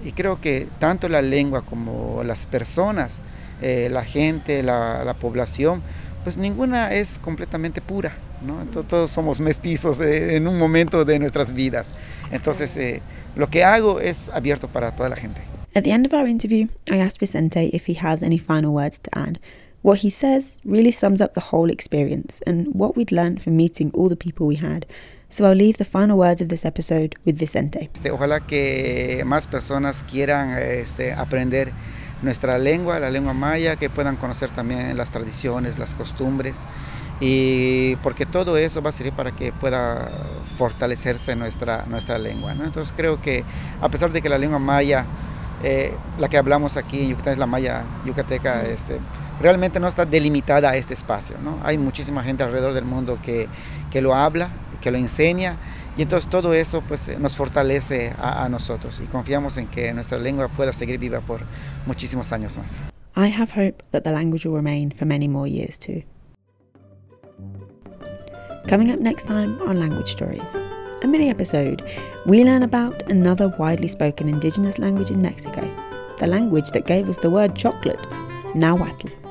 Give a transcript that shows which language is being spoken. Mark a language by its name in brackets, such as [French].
[Spanish] Y creo que tanto la lengua como las personas, la gente, la población, pues ninguna es completamente pura, ¿no? Todos somos mestizos en un momento de nuestras vidas. Entonces, lo que hago es abierto para toda la gente. [English] At the end of our interview, I asked Vicente if he has any final words to add. What he says really sums up the whole experience and what we'd learned from meeting all the people we had. So I'll leave the final words of this episode with Vicente. [Spanish] Ojalá que más personas quieran aprender nuestra lengua, la lengua maya, que puedan conocer también las tradiciones, las costumbres, y porque todo eso va a servir para que pueda fortalecerse nuestra lengua, ¿no? Entonces creo que a pesar de que la lengua maya, la que hablamos aquí en Yucatán, es la maya yucateca, realmente no está delimitada a este espacio, ¿no? Hay muchísima gente alrededor del mundo que lo habla, que lo enseña, y entonces todo eso pues nos fortalece a nosotros, y confiamos en que nuestra lengua pueda seguir viva por muchísimos años más. [English] I have hope that the language will remain for many more years too. Coming up next time on Language Stories, a mini episode, we learn about another widely spoken indigenous language in Mexico, the language that gave us the word chocolate, Nahuatl.